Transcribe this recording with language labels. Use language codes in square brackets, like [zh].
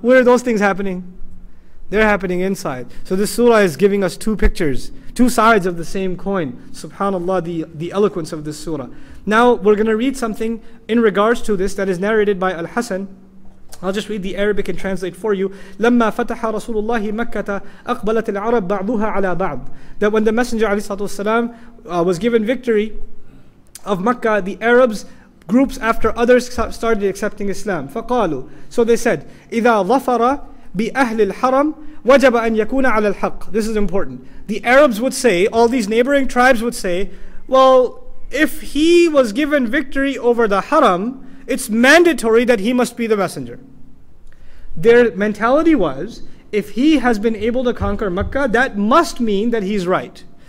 [en] Where are those things happening? They're happening inside. So this surah is giving us two pictures, two sides of the same coin. SubhanAllah, the eloquence of this surah. Now we're going to read something in regards to this that is narrated by Al-Hasan. I'll just read the Arabic and translate for you. [ar] لما فتح رسول الله مكة أقبلت العرب بعضها على بعض. [en] That when the Messenger والسلام, was given victory of Mecca, the Arabs, groups after others, started accepting Islam. [ar] فقالوا. [en] So they said, [ar] إذا ظفر بأهل الحرم وجب أن يكون على الحق. [en] This is important. The Arabs would say, all these neighboring tribes would say, well, if he was given victory over the Haram, it's mandatory that he must be the messenger. Their mentality was, if he has been able to conquer Mecca, that must mean that he's right.